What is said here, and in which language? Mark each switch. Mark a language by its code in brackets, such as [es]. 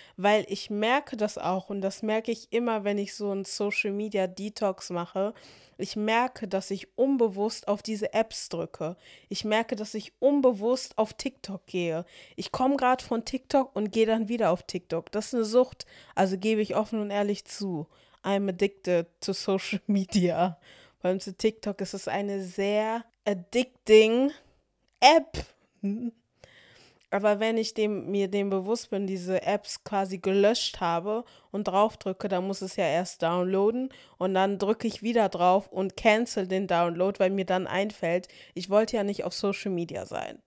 [de] Weil ich merke das auch. Und das merke ich immer, wenn ich so einen Social-Media-Detox mache. Ich merke, dass ich unbewusst auf diese Apps drücke. Ich merke, dass ich unbewusst auf TikTok gehe. Ich komme gerade von TikTok und gehe dann wieder auf TikTok. Das ist eine Sucht. Also gebe ich offen und ehrlich zu. [en] I'm addicted to social media. [de] Vor allem zu TikTok ist es eine sehr addicting App. Aber wenn ich mir dem bewusst bin, diese Apps quasi gelöscht habe und drauf drücke, dann muss es ja erst downloaden und dann drücke ich wieder drauf und cancel den Download, weil mir dann einfällt, ich wollte ja nicht auf Social Media sein.